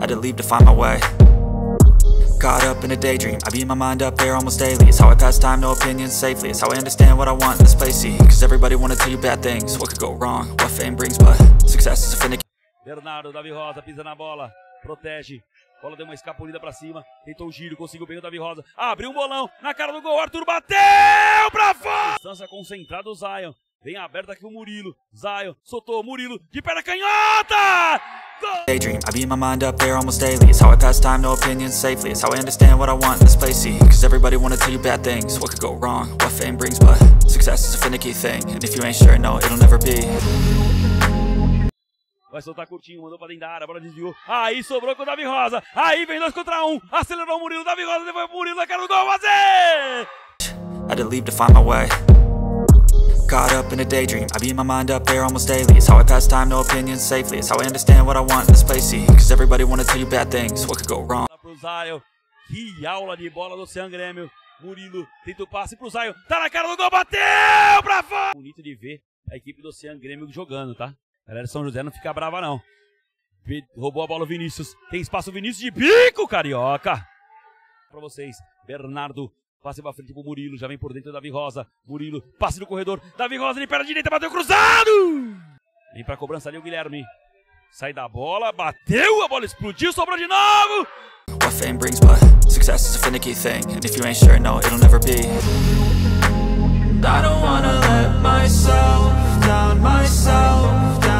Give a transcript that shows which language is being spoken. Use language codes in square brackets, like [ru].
[en] Had to leave to find my way. Caught up in a daydream, I beat my mind up there almost daily. It's how I pass time, no opinions safely. It's how I understand what I want in this place. See, cause everybody wanna tell you bad things. What could go wrong, what fame brings, but success is a finicky. [pt] Bernardo, Davi Rosa, pisa na bola, protege. Bola deu uma escapulida pra cima, tentou o giro, conseguiu bem o Davi Rosa. Abriu um bolão, na cara do gol, Arthur bateu pra fora! Distância concentrada, o Zion. Vem aberto aqui o Murilo, Zion, soltou o Murilo, de perna canhota! [en] Daydream, I beat my mind up there almost daily. It's how I pass time, no opinions safely. It's how I understand what I want in this place. See, cause everybody wanna tell you bad things. What could go wrong, what fame brings, but success is a finicky thing. And if you ain't sure, no, it'll never be. [pt] Vai soltar curtinho, mandou pra dentro da área, a bola desviou. Aí sobrou com o Davi Rosa. Aí vem 2 contra 1, acelerou o Murilo, Davi Rosa, depois o Murilo, quero o gol fazer! [en] I had to leave to find my way. Caught up in a daydream, I beat my mind up there almost daily. It's how I pass time, no opinions safely. It's how I understand what I want in this place. See, cause everybody wanna tell you bad things. What could go wrong? [pt] Pro Zion, que aula de bola do Cian Grêmio. Murilo tenta o passe pro Zion, tá na cara do gol, bateu pra fora! Bonito de ver a equipe do Cian Grêmio jogando, tá? Galera, São José não fica brava, não. Roubou a bola o Vinícius. Tem espaço o Vinícius de bico, Carioca. Pra vocês, Bernardo. Passe pra frente pro Murilo. Já vem por dentro o Davi Rosa. Murilo, passe no corredor. Davi Rosa, ele perna direita, bateu cruzado. Vem pra cobrança ali o Guilherme. Sai da bola, bateu, a bola explodiu, sobrou de novo. [en] What fame brings, but success is a finicky thing. And if you ain't sure, no, it'll never be. I don't wanna let myself down, myself.